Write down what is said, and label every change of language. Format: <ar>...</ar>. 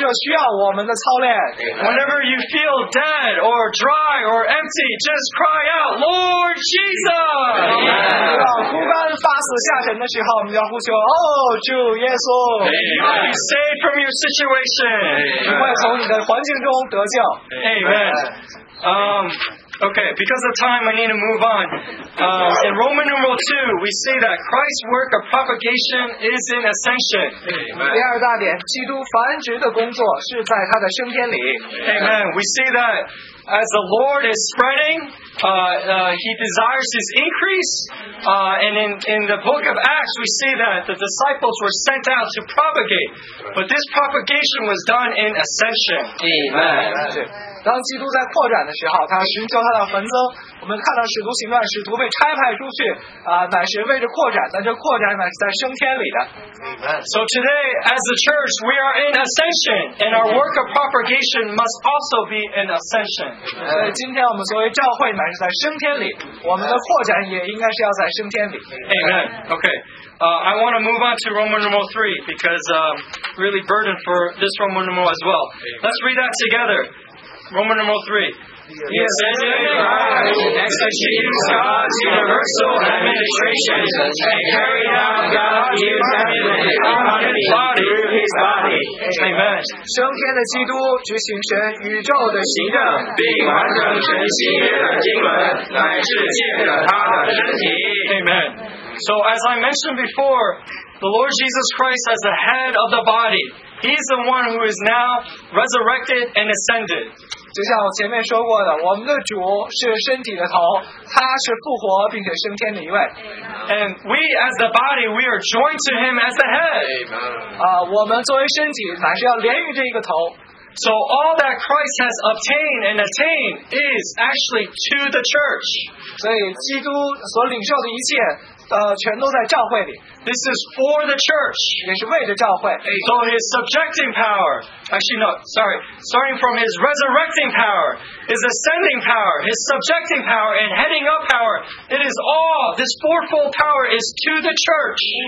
<en>Whenever you feel dead or dry or empty, just cry out, Lord Jesus!</en> <zh>要枯干乏死下沉的时候，我们要呼求，哦，主耶稣！</zh> <en>You will be saved from your situation.</en> <zh>你会从你的环境中得救。</zh> <en>Amen. Okay, because of time, I need to move on. In Roman numeral 2, we say that Christ's work of propagation is in ascension. 第二大点，基督繁殖的工作是在他的升天里。 Amen. We say that as the Lord is spreading, He desires His increase. And in the book of Acts, we see that the disciples were sent out to propagate. But this propagation was done in ascension. Amen.</en> <zh>当基督在扩展的时候，他寻求他的坟增。我们看到使徒行传，使徒被差派出去，乃是为着扩展，但这扩展乃是在升天里的。</zh> <en>So today, as the church, we are in ascension, and our work of propagation must also be in ascension.</en> <zh>今天我们作为教会乃是在升天里，我们的扩展也应该是要在升天里。</zh> <en>Amen. Okay. I want to move on to Roman numeral 3 because really burdened for this Roman numeral as well. Let's read that together. Roman numeral 3. The ascended Christ executes God's universal administration and carried out God's heavenly body through His body. Amen.</en> <zh>升天的基督执行神宇宙的行政，并完成神新约的经纶，乃是借着他的身体。</zh> <en>Amen. So as I mentioned before, the Lord Jesus Christ as the head of the body. He is the one who is now resurrected and ascended.</en> <zh>就像我前面说过的，我们的主是身体的头，他是复活并且升天的一位。</zh> <en>And we as the body, we are joined to him as the head.</en> <zh>我们作为身体乃是要连于这一个头。</zh> <en>So all that Christ has obtained and attained is actually to the church.</en> <zh>所以基督所领受的一切全都在教会里。</zh> <en>This is for the church.</en> <zh>也是为着教会。</zh> <en>So his subjecting power, actually no, sorry, starting from his resurrecting power, his ascending power, his subjecting power, and heading up power, it is all, this fourfold power is to the church.</en>